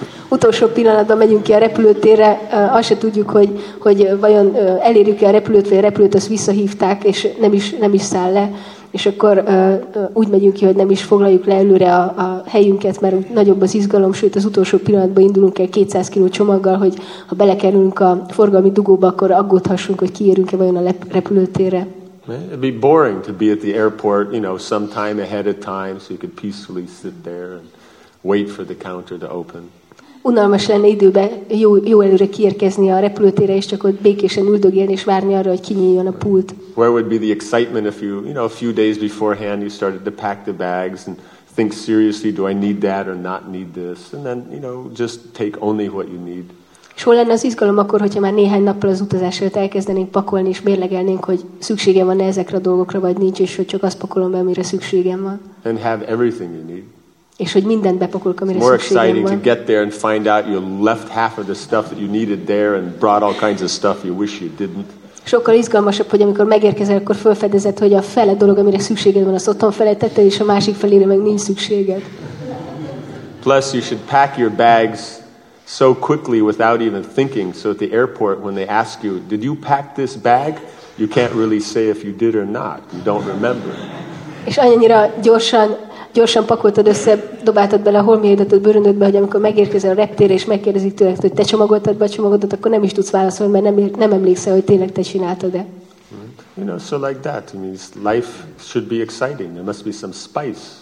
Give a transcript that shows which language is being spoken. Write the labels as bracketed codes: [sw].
[hu] Utolsó pillanatban megyünk ki a repülőtérre, azt se tudjuk, hogy vajon elérjük-e a repülőt, vagy a repülőt azt visszahívták, és nem is száll le, és akkor úgy megyünk ki, hogy nem is foglaljuk le előre a helyünket, mert nagyobb az izgalom, sőt az utolsó pillanatban indulunk el 200 kiló csomaggal, hogy ha belekerülünk a forgalmi dugóba, akkor aggódhassunk, hogy kiérünk-e vajon a repülőtérre. [en] It'd be boring to be at the airport, you know, some time ahead of time, so you could peacefully sit there and wait for the counter to open. [hu] Unalmas lenne időben jó előre kiérkezni a repülőtérre, és csak ott békésen üldögélni és várni arra, hogy kinyíljon a pult. [en] Where would be the excitement if you know, a few days beforehand you started to pack the bags and think seriously, do I need that or not need this? And then, you know, just take only what you need. [hu] És hol lenne az izgalom akkor, hogyha már néhány nappal az utazás előtt elkezdenénk pakolni és mérlegelnénk, hogy szükségem van ezekre a dolgokra, vagy nincs, és hogy csak azt pakolom be, amire szükségem van. [en] And have everything you need. [hu] És hogy mindent bepakolok, amire szükségem van. [en] It's more exciting to get there and find out you left half of the stuff that you needed there and brought all kinds of stuff you wish you didn't. [hu] Sokkal izgalmasabb, hogy amikor megérkezel, akkor felfedezed, hogy a fele dolog, amire szükséged van, azt otthon felejtetted, és a másik felére meg nincs szükséged. [en] Plus you should pack your bags so quickly without even thinking, so at the airport when they ask you, did you pack this bag? You can't really say if you did or not. You don't remember. [hu] És annyira gyorsan pakoltad össze, dobáltad bele a holmiaidat a bőröndödbe, hogy amikor megérkezel a reptérre, és megkérdezik tőled, hogy te csomagoltad be a csomagodat, akkor nem is tudsz válaszolni, mert nem emlékszel, hogy tényleg te csináltad-e. [en] You know, so like that. I mean, life should be exciting. There must be some spice.